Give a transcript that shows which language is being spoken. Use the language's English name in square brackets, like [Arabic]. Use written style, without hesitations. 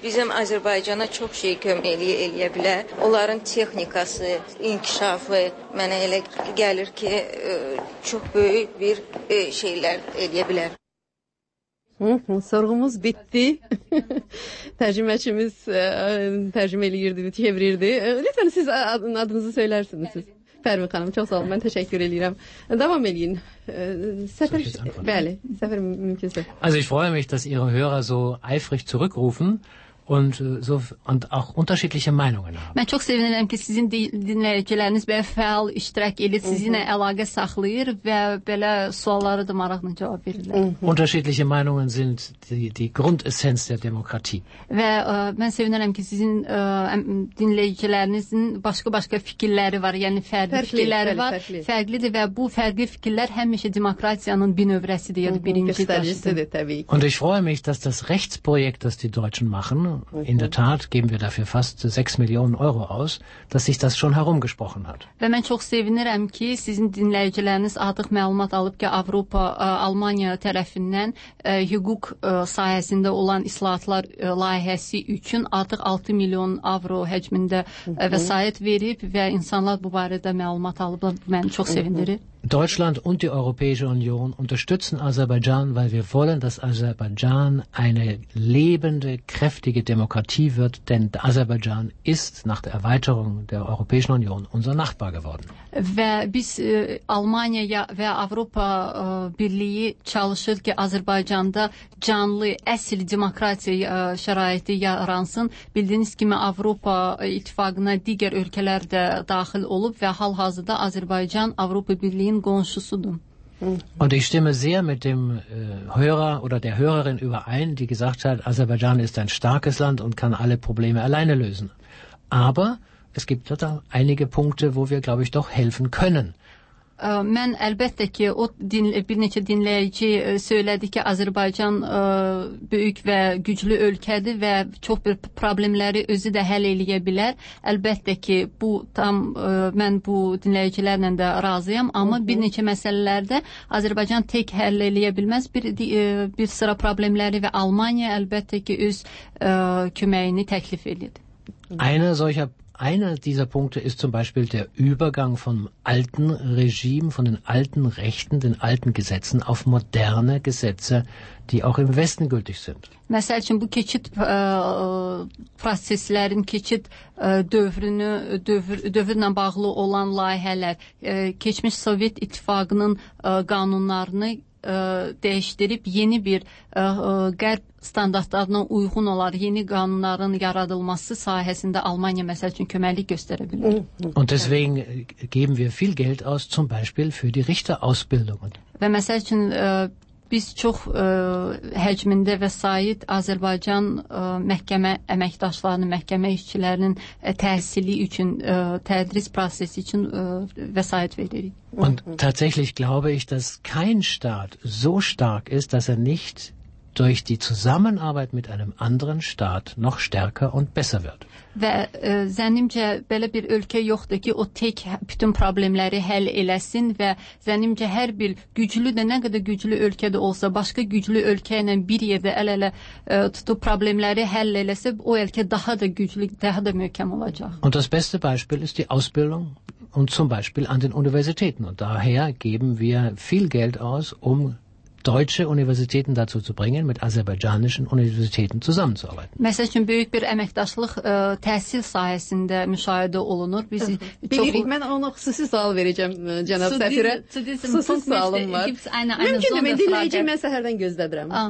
[Azerbaijani] Bizim Azərbaycana çox şey kömək eləyə bilər. Onların texnikası, inkişafı mənə elə gəlir ki, çox böyük bir şeylər eləyə bilər. Sorğumuz bitdi. Tərcüməçimiz tərcümə eləyirdi, çevirirdi. Lütfən siz adınızı söylərsiniz. Siz. Fərmi xanım, çox sağ olun, mən təşəkkür edirəm. Davam edin. Səfər mümkünsə. [German] Also ich freue mich, dass Ihre Hörer so eifrig zurückrufen. Und auch unterschiedliche Meinungen haben. [Azerbaijani] Mən çox sevinirəm ki, sizin dinləyiciləriniz belə fəal iştirak edir, sizinlə əlaqə saxlayır və belə sualları da maraqla cavab verirlər. [German] Unterschiedliche Meinungen sind die Grundessenz der Demokratie. [Azerbaijani] Və mən sevinirəm ki, sizin dinləyicilərinizin başqa-başqa fikirləri var, yəni fərqli fikirləri var. Fərqlidir və bu fərqli fikirlər həmişə demokratiyanın bir növrəsidir, yəni birinci daşıdır, təbii ki. [German] Und ich freue mich, dass das Rechtsprojekt, das die Deutschen machen, in der Tat geben wir dafür fast 6 Millionen Euro aus, dass sich das schon herumgesprochen hat. Wenn man [Azerbaijani] çox sevinirəm ki, sizin dinləyiciləriniz artıq məlumat alıb ki, Avropa Almaniya tərəfindən hüquq sahəsində olan islahatlar layihəsi üçün artıq 6 milyon avro həcmində vəsait verib və insanlar bu barədə məlumat alıblar. Bu məni çox sevindirir. [German] Deutschland und die Europäische Union unterstützen Aserbaidschan, weil wir wollen, dass Aserbaidschan eine lebende, kräftige Demokratie wird, denn Aserbaidschan ist nach der Erweiterung der Europäischen Union unser Nachbar geworden. [Azerbaijani] Wer bis Almanya ya ve Avropa Birliği çalışır ki Azerbaycan'da canlı əsl demokratiya şəraiti yaransın. Bildiyiniz kimi Avropa İttifaqına digər ölkələr də daxil olub və hal-hazırda Azərbaycan Avropa Birliyinin qonşusudur. [German] Und ich stimme sehr mit dem Hörer oder der Hörerin überein, die gesagt hat, Aserbaidschan ist ein starkes Land und kann alle Probleme alleine lösen. Aber es gibt da einige Punkte, wo wir, glaube ich, doch helfen können. [Azerbaijani] Mən əlbəttə ki, o bir neçə dinləyici söylədi ki, Azərbaycan böyük və güclü ölkədir və çox bir problemləri özü də həll eləyə bilər. Əlbəttə ki, bu tam mən bu dinləyicilərlə də razıyam, amma bir neçə məsələlərdə Azərbaycan tək həll eləyə bilməz. Bir sıra problemləri və Almanya əlbəttə ki, öz köməyini təklif edir. [German] Einer dieser Punkte ist zum Beispiel der Übergang vom alten Regime, von den alten Rechten, den alten Gesetzen auf moderne Gesetze, die auch im Westen gültig sind. [Azerbaijani] Mesela üçün bu keçid proseslərin, keçid dövrünə bağlı olan layihələr, keçmiş Sovet İttifaqının qanunlarını dəyişdirib yeni bir qərb standartlarına uyğun olar yeni qanunların yaradılması sahəsində Almanya məsəl üçün köməklik göstərə bilər. [German] Und deswegen geben wir viel Geld aus zum Beispiel für die Richterausbildungen. [Azerbaijani] Və məsəl üçün biz çox həcmində vəsait Azərbaycan məhkəmə əməkdaşlarının, məhkəmə işçilərinin təhsili üçün, tədris prosesi üçün vəsait veririk. [German] Und tatsächlich glaube ich, dass kein Staat so stark ist, dass er nicht durch die Zusammenarbeit mit einem anderen Staat noch stärker und besser wird. [Azerbaijani] Və zənnimcə belə bir ölkə yoxdur ki, o tək bütün problemləri həll eləsin və zənnimcə hər bir güclü də nə qədər güclü ölkə də olsa, başqa güclü ölkə ilə bir yerdə əl-ələ tutub problemləri həll eləsə, o ölkə daha da güclü, daha da möhkəm olacaq. [German] Und das beste Beispiel ist die Ausbildung und zum Beispiel an den Universitäten. Und daher geben wir viel Geld aus, um deutsche Universitäten dazu zu bringen, mit aserbaidschanischen Universitäten zusammenzuarbeiten. [Azerbaijani] Məsəl üçün, böyük bir əməkdaşlıq təhsil sahəsində müşahidə olunur. Biz bilirik, mən ona xüsusi sual verəcəm, cənab səfirə. Xüsusi sualım var. Mümkündür, mən dinləyəcəyim, mən səhərdən gözlədirəm.